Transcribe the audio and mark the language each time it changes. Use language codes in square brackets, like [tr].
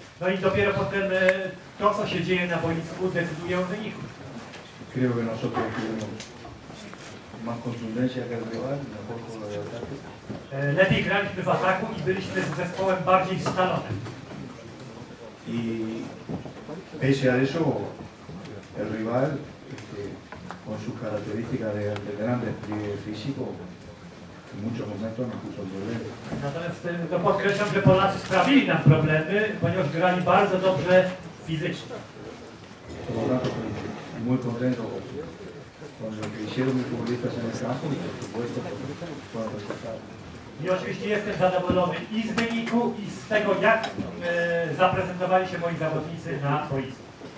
[pl] No i dopiero potem to, co się dzieje na boisku, decyduje o wyniku. [es] Creo que nosotros tuvimos más contundencia que el rival, mejor con la de ataque. [pl] Lepiej graliśmy w ataku i byliśmy z zespołem bardziej scalonym. [es] I pese a eso, el rival, con sus características de gran despliegue físico, en muchos momentos nos puso en problemas. [pl] Natomiast to podkreślam, że Polacy sprawili nam problemy, ponieważ grali bardzo dobrze fizycznie. [es] Por lo tanto, estoy muy contento con lo que hicieron mis futbolistas en el campo y, por supuesto, con el resultado. [pl] I oczywiście jestem zadowolony i z wyniku, i z tego, jak zaprezentowali się moi zawodnicy na boisku.